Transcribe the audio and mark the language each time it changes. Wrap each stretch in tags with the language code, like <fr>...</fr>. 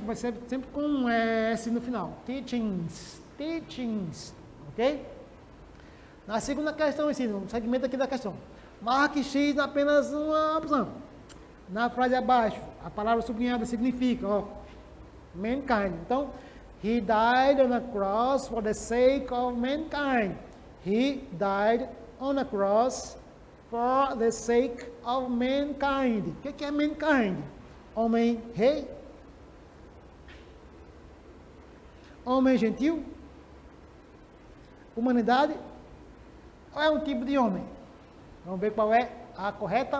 <pt>Vai ser sempre com um S no final. Teachings, ok? Na segunda questão, ensino, no segmento aqui da questão. Marque X apenas uma opção. Na frase abaixo, a palavra sublinhada significa, ó, mankind.</pt> <en>Então, he died on a cross for the sake of mankind. He died on a cross for the sake of mankind.</en> <pt>O que é mankind? Homem, rei? homem gentil? Humanidade? Qual é o tipo de homem? Vamos ver qual é a correta.</pt>